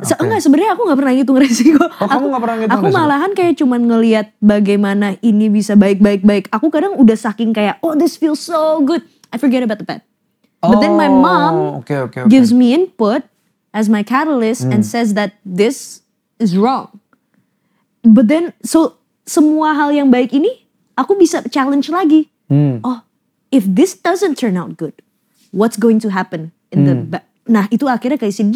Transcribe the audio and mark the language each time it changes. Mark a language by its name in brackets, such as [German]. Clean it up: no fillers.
[Indonesian] Enggak, sebenarnya aku nggak pernah ngitung resiko. Aku malahan kayak cuman ngelihat bagaimana ini bisa baik. Aku kadang udah saking kayak [English] oh this feels so good, I forget about the bad. But then my mom gives me input as my catalyst and says that this is wrong. But then, [Indonesian] so semua hal yang baik ini, aku bisa challenge lagi. [English] If this doesn't turn out good, what's going to happen in the [Indonesian] Nah, itu akhirnya kayak sih.